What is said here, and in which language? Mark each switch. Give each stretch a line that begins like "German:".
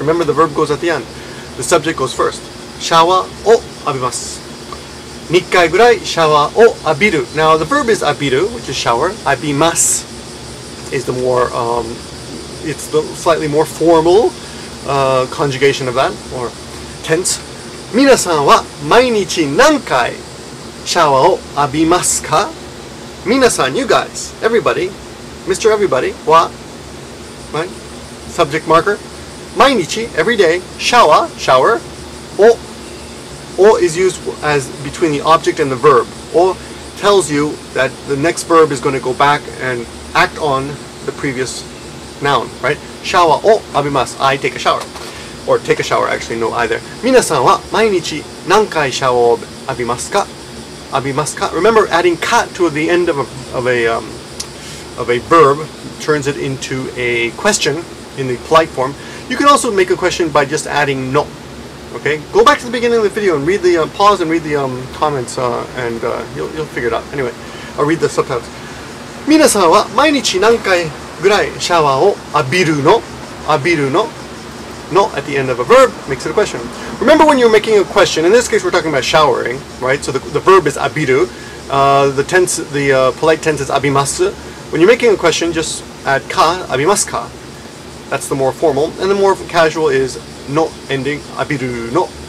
English: Remember, the verb goes at the end. The subject goes first. Shawa wo abimasu.
Japanese: Nikai gurai, shawa wo abiru.
English: Now, the verb is abiru, which is shower. Abimasu is the more, it's the slightly more formal conjugation of that, or tense.
Japanese: 皆さんは毎日何回シャワーを浴びますか?
English: 皆さん、you guys, everybody, Mr. Everybody, は、right? Subject marker, 毎日, every day, shower, を is used as between the object and the verb, or tells you that the next verb is going to go back and act on the previous noun, right? シャワーを浴びます, I take a shower. Or take a shower, actually, no, either. 皆さんは毎日何回シャワーを浴びますか?abimasuka. Remember, adding ka to the end of a verb turns it into a question in the polite form. You can also make a question by just adding no. Okay, go back to the beginning of the video and read the pause and read the comments, and you'll figure it out. Anyway, I'll read the subtitles.
Japanese: 皆さんは毎日何回ぐらいシャワーを浴びるの？
English: 浴びるの？ No at the end of a verb makes it a question. Remember when you're making a question, in this case we're talking about showering, right? So the verb is abiru. Polite tense is abimasu. When you're making a question, just add ka, abimasuka. That's the more formal. And the more casual is no ending, abiru no.